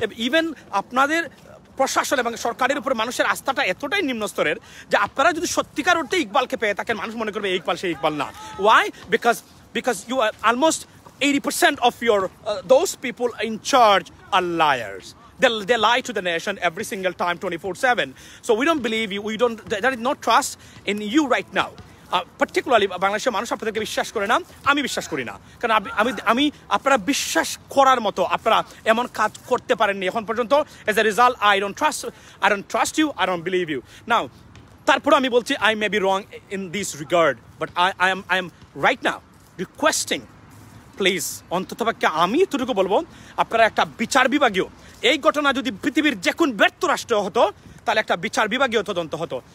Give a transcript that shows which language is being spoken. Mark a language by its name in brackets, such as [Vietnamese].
[Bangla] Even আপনাদের প্রশাসন এবং সরকারের উপর মানুষের আস্থাটা এতটাই নিম্নস্তরের যে আপনারা যদি সত্যিকার অর্থে ইকবালকে পেয়ে থাকেন মানুষ মনে করবে ইকবাল সে ইকবাল না। Y? [English] Because you are almost 80% of your those people in charge are liars. They lie to the nation every single time 24/7. So we don't believe you, there is no trust in you right now. [Bangla] Particularly বাংলাদেশের মানুষ আপনাদেরকে বিশ্বাস করে না, আমি বিশ্বাস করি না, কারণ আমি আমি আপনারা বিশ্বাস করার মতো আপনারা এমন কাজ করতে পারেননি এখন পর্যন্ত। [English] As a result I don't trust you, I don't believe you now. [Bangla] তারপরে আমি বলছি [English] I may be wrong in this regard, but I am right now requesting, please [Bangla] অন্ততপক্ষে আমি এতটুকু বলবো, আপনারা একটা বিচার বিভাগীয়, এই ঘটনা যদি পৃথিবীর যে কোনো ব্যর্থ রাষ্ট্র হতো তাহলে একটা বিচার বিভাগীয় তদন্ত হতো।